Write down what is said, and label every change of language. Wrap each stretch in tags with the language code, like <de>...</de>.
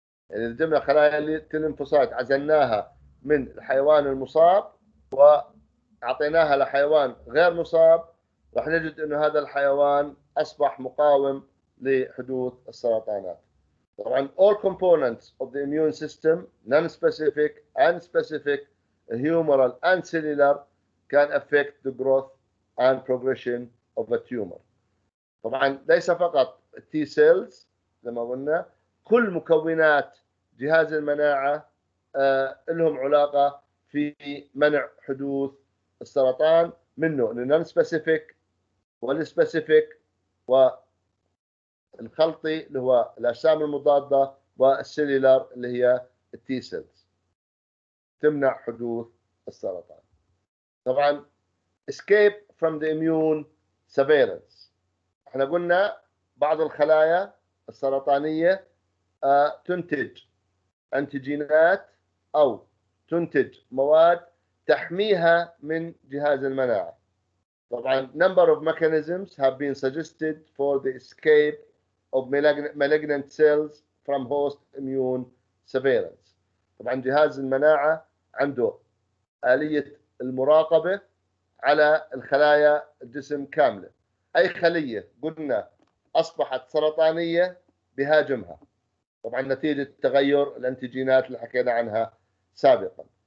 <ar>يعني جمع خلايا التي لنفوسايت عزلناها من الحيوان المصاب وعطيناها لحيوان غير مصاب، راح نجد إنه هذا الحيوان أصبح مقاوم لحدوث السرطانات. طبعا</ar> <en>all components of the immune system non-specific and specific humoral and cellular can affect the growth and progression of a tumor.</en> <ar>طبعا ليس فقط T cells لما قلنا كل مكونات جهاز المناعة لهم علاقة في منع حدوث السرطان، منه النون سبيسيفيك والسبيسيفيك والخلطي اللي هو الأجسام المضادة والسيلولار اللي هي T cells تمنع حدوث السرطان. طبعا</ar> <en>escape from the immune surveillance،</en> <ar>احنا قلنا بعض الخلايا السرطانية تنتج انتيجينات او تنتج مواد تحميها من جهاز المناعة. طبعا</ar> <en>number of mechanisms have been suggested for the escape of malignant cells from host immune surveillance.</en> <ar>طبعا جهاز المناعة عنده آلية المراقبة على الخلايا الجسم كاملة، أي خلية قلنا أصبحت سرطانية بهاجمها طبعا نتيجة تغير الانتيجينات اللي حكينا عنها سابقا.</ar>